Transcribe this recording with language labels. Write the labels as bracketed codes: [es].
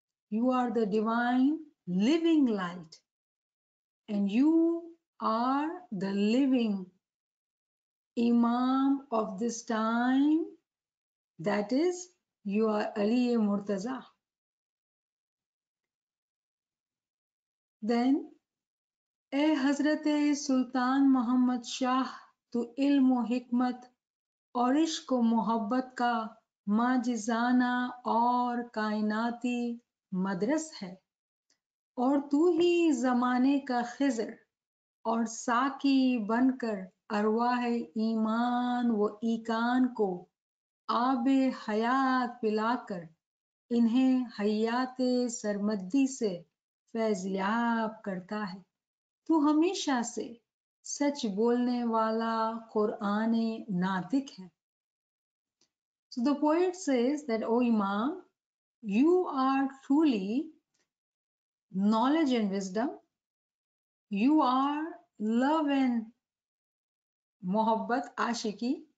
[en] You are the divine living light. And you are the living Imam of this time. That is, you are Ali-e Murtaza. [ur] Then, اے حضرت سلطان محمد شاہ تو علم و حکمت اور عشق و محبت کا معجزانہ اور کائناتی مدرس ہے اور تو ہی زمانے کا خضر اور ساقی بن کر ارواح ایمان و ایکان کو آب حیات پلا کر انہیں حیات سرمدی سے فیضیاب کرتا ہے تو ہمیشہ سے سچ بولنے والا قرآن ناطق ہے. [en] So the poet says that, O Imam, you are truly knowledge and wisdom. You are love and mohabbat, aashiqui.